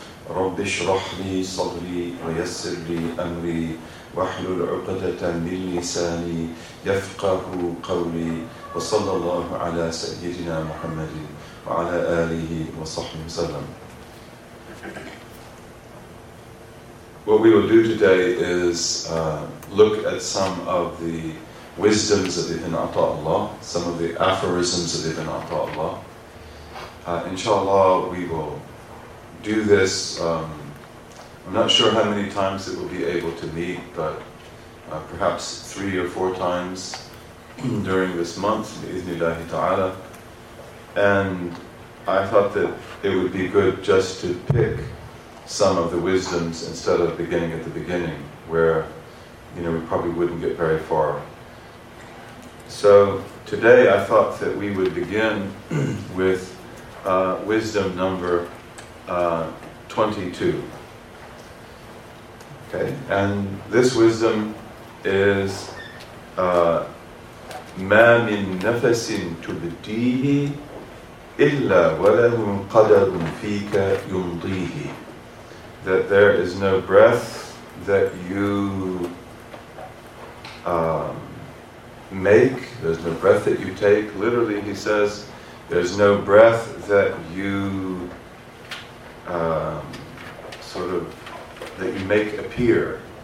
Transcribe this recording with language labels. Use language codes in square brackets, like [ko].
[ar] رب اشرح لي صدري ويسر لي أمري واحلل عقدة من لساني يفقه قولي وصلى الله على سيدنا محمد وعلى آله وصحبه وسلم. [en] What we will do today is look at some of the wisdoms of Ibn Ata'Allah, some of the aphorisms of Ibn Ata'Allah. Inshallah, we will do this. I'm not sure how many times it will be able to meet, but perhaps three or four times during this month, [ar] bi-ithnillahi ta'ala. [en] And I thought that it would be good just to pick some of the wisdoms instead of beginning at the beginning, where, you know, we probably wouldn't get very far. So today I thought that we would begin with wisdom number 22. Okay, and this wisdom is [ar] مَا مِن نَفَسٍ تُبْدِيهِ إِلَّا وَلَهُمْ قَدَرٌ فِيكَ يُمْضِيهِ. [en] That there is no breath that you make, there's no breath that you take. Literally, he says, there's no breath that you sort of, that you make appear.